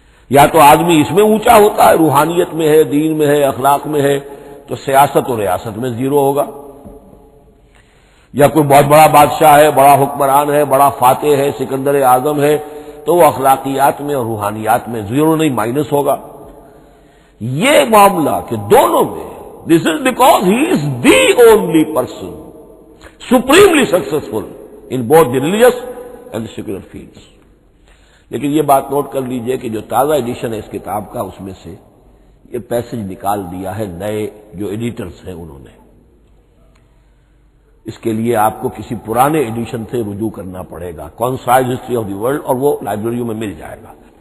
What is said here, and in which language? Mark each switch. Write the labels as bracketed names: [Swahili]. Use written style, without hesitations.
[Urdu] یا تو آدمی اس میں اونچا ہوتا ہے, روحانیت میں ہے, دین میں ہے, اخلاق میں ہے, تو سیاست اور ریاست میں زیرو ہوگا, یا کوئی بہت بڑا بادشاہ ہے, بڑا حکمران ہے, بڑا فاتح ہے, سکندر اعظم ہے, تو وہ اخلاقیات میں اور روحانیات میں زیرو نہیں, مائنس ہوگا. یہ معاملہ کہ دونوں میں, [English] This is because he is the only person supremely successful in both the religious and secular fields. [Urdu] لیکن یہ بات نوٹ کر لیجئے کہ جو تازہ ایڈیشن ہے اس کتاب کا, اس میں سے یہ پیسج نکال دیا ہے نئے جو ایڈیٹرز ہیں انہوں نے, اس کے لیے آپ کو کسی پرانے ایڈیشن سے رجوع کرنا پڑے گا, concise history of the world, اور وہ لائبریریوں میں مل جائے گا.